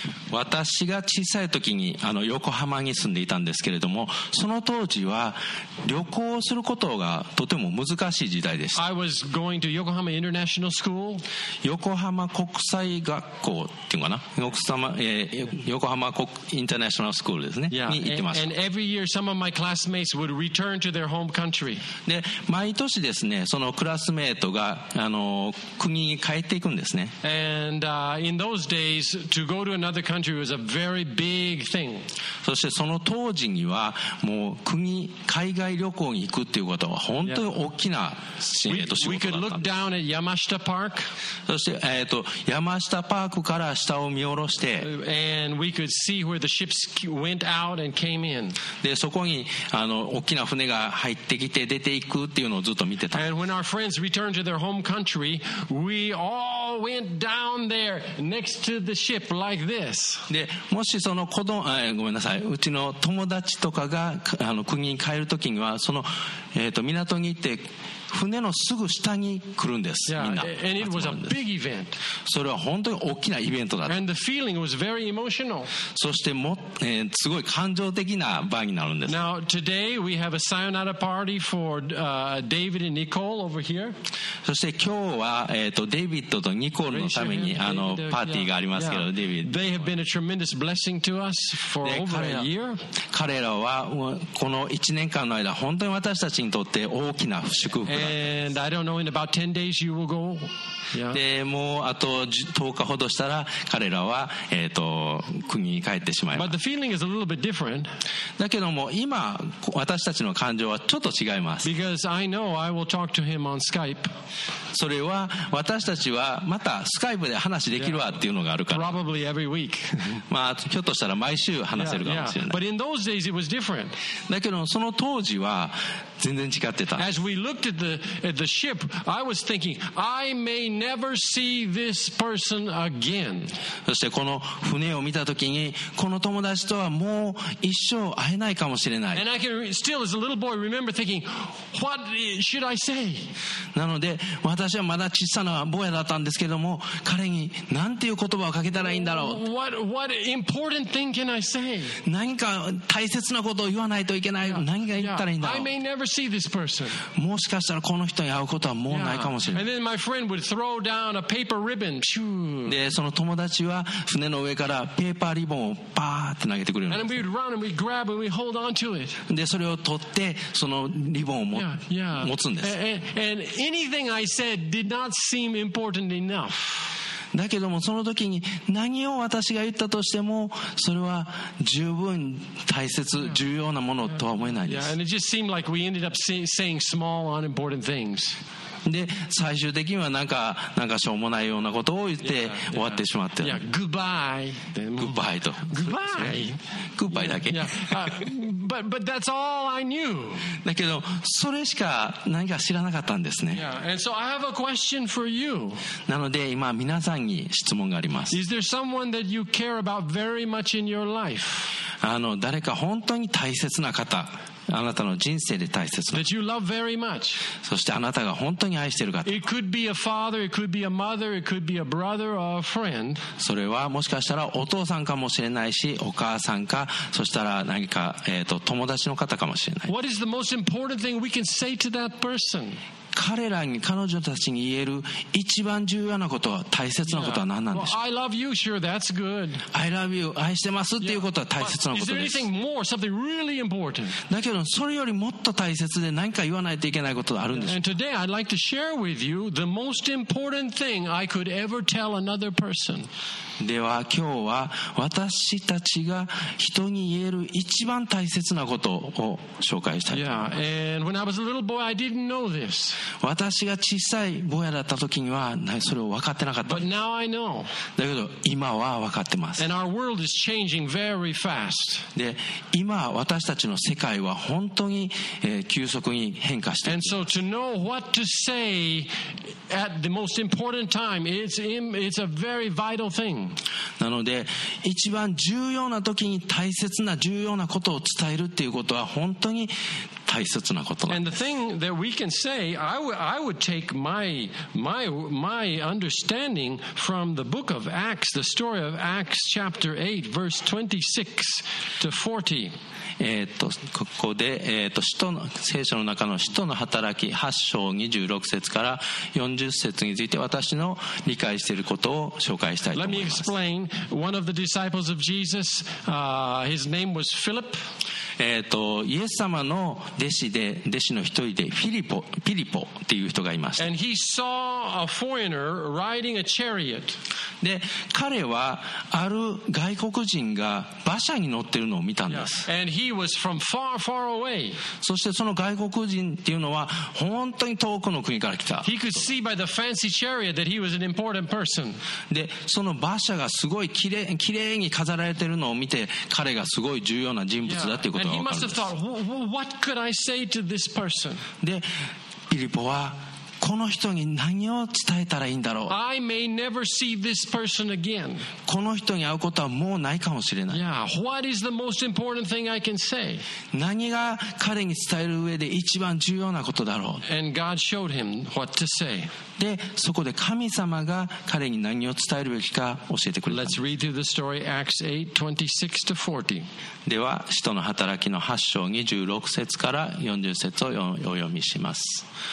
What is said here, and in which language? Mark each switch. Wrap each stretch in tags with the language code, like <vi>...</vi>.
<ja>私が小さい時に横浜に住んでいたんですけれども、その当時は旅行をすることがとても難しい時代でした。</ja> <en>I was going to Yokohama International School.</en> <ja>横浜国際学校っていうかな、横浜国インターナショナルスクールですね、</ja> <en>yeah.</en> <ja>に行ってました。</ja> <en>and every year some of my classmates would return to their home country.</en> <ja>で毎年ですね、そのクラスメートが国に帰っていくんですね。</ja> <en>and、in those days to go to anotherCountry was a very big thing.</en> <ja>そしてその当時にはもう国海外旅行に行くっていうことは本当に大きな仕事だったんです。</ja> <en>We could look down at Yamashita Park.</en> <ja>そして Yamashita Park から下を見下ろして、</ja> <en>and we could see where the ships went out and came in.</en> <ja>でそこに大きな船が入ってきて出ていくっていうのをずっと見てた。</ja> <en>And when our friends returned to their home country, we all went down there next to the ship like this.</en> <ja>でもしその子供、ごめんなさい、うちの友達とかが国に帰るときにはその、港に行って船のすぐ下に来るんです、</ja> <en>yeah.</en> <ja>みんな。</ja> <en>And it was a big event.</en> <ja>それは本当に大きなイベントだった。</ja> <en>And the feeling was very emotional.</en> <ja>そしてすごい感情的な場になるんです。</ja> <en>Now, today we have a sayonara party for, David and Nicole over here.</en> <ja>そして今日は、デイビッドとニコールのためにパーティーがありますけど、デイビッド。</ja> <en>They have been a tremendous blessing to us for over a year.</en> <ja>彼らはこの1年間の間本当に私たちにとって大きな祝福。</ja> <en>And I don't know, in about 10 days you will go.</en> <ja>でもうあと10日ほどしたら彼らは国に帰ってしまいます。</ja> <en>But the feeling is a little bit different.</en> <ja>だけども今私たちの感情はちょっと違います。</ja> <en>Because I know I will talk to him on Skype.</en> <ja>それは私たちはまたスカイプで話できるわっていうのがあるから。</ja> <en>Probably every week.</en> <ja>まあひょっとしたら毎週話せるかもしれない。</ja> <en>But in those days it was different.</en> <ja>だけどもその当時は全然違ってた。</ja> <en>As we looked at the ship, I was thinking, I may never see this person again.</en> <ja>そしてこの船を見たときに、この友達とはもう一生会えないかもしれない。</ja> <en>And I can still, as a little boy, remember thinking, what should I say?</en> <ja>なので、私はまだ小さな坊やだったんですけども、彼に何ていう言葉をかけたらいいんだろう。</ja> <en>What important thing can I say?</en> <ja>何か大切なことを言わないといけない。何が言ったらいいんだろう。</ja> <en>I may never see this person.</en> <ja>もしかしたらこの人に会うことはもうないかもしれない。</ja> <en>And then my friend would throw down a paper ribbon.</en> <ja>でその友達は船の上からペーパーリボンをパーって投げてくれるんです。</ja> <en>And we'd run and we'd grab and we'd hold on to it.</en> <ja>でそれを取ってそのリボンを持つんです。</ja> <en>And anything I said did not seem important enough.</en> <ja>だけどもその時に何を私が言ったとしてもそれは十分大切重要なものとは思えないです。</ja> <en>Yeah, and it just seemed like we ended up saying small unimportant things.</en> <ja>で最終的にはなんかしょうもないようなことを言って終わってしまって、</ja> <en>yeah, goodbye.</en> <ja>Goodbye と</ja> <en>goodbye.</en> <ja>Goodbye だけ。</ja> <en>yeah, but that's all I knew.</en> <ja>だけどそれしか何か知らなかったんですね。</ja> <en>yeah, and so I have a question for you.</en> <ja>なので今皆さん皆さんに質問があります。</ja> <en>Is there someone that you care about very much in your life?</en> <ja>誰か本当に大切な方、あなたの人生で大切な方、</ja> <en>that you love very much.</en> <ja>そしてあなたが本当に愛している方、</ja> <en>it could be a father, it could be a mother, it could be a brother or a friend.</en> <ja>それはもしかしたらお父さんかもしれないし、お母さんか、そしたら何か、友達の方かもしれない。</ja> <en>What is the most important thing we can say to that person?</en> <ja>彼らに彼女たちに言える一番重要なことは大切なことは何なんでしょう。</ja> <en>I love you, sure, that's good. I love you,</en> <ja>愛してますっていうことは大切なことです。</ja> <en>Is there anything more, something really important?</en> <ja>だけどそれよりもっと大切で何か言わないといけないことがあるんでしょう。</ja> <en>And today I'd like to share with you the most important thing I could ever tell another person.</en> <ja>では今日は私たちが人に言える一番大切なことを紹介したいと思います。</ja> <en>Yeah, and when I was a little boy, I didn't know this.</en> <ja>私が小さい坊やだった時にはそれを分かってなかった。</ja> <en>But now I know.</en> <ja>だけど今は分かってます。</ja> <en>And our world is changing very fast.</en> <ja>で今私たちの世界は本当に、急速に変化しています</ja> <en>And so to know what to say at the most important time, it's a very vital thing.</en> <ja>なので一番重要な時に大切な重要なことを伝えるっていうことは本当に大切なことなんです。</ja> <en>And the thing that we can say, I would take my understanding from the book of Acts, the story of Acts chapter 8, verse 26 to 40.</en> <ja>ここで、聖書の中の使徒の働き8章26節から40節について私の理解していることを紹介したいと思います。</ja> <en>Let me explain. One of the disciples of Jesus, his name was Philip.</en> <ja>イエス様の弟子の一人でフィリポっていう人がいました。</ja> <en>And he saw a foreigner riding a chariot.</en> <ja>で彼はある外国人が馬車に乗っているのを見たんです。</ja> <en>Yes. And he was from far, far away.</en> <ja>そしてその外国人っていうのは本当に遠くの国から来た。</ja> <en>He could see by the fancy chariot that he was an important person.</en> <ja>でその馬車がすごいきれいに飾られているのを見て彼がすごい重要な人物だっていうことが分かるんです。</ja> <en>And he must have thought, what could I say to this person?</en> <ja>でピリポはこの人に何を伝えたらいいんだろう。</ja> <en>I may never see this person again.</en> <ja>この人に会うことはもうないかもしれない。</ja> <en>Yeah, what is the most important thing I can say?</en> <ja>何が彼に伝える上で一番重要なことだろう。</ja> <en>And God showed him what to say.</en> <ja>でそこで神様が彼に何を伝えるべきか教えてくれた。</ja> <en>Let's read through the story, Acts 8, 26 to 40.</en> <ja>では使徒の働きの8章26節から40節をお読みします。</ja>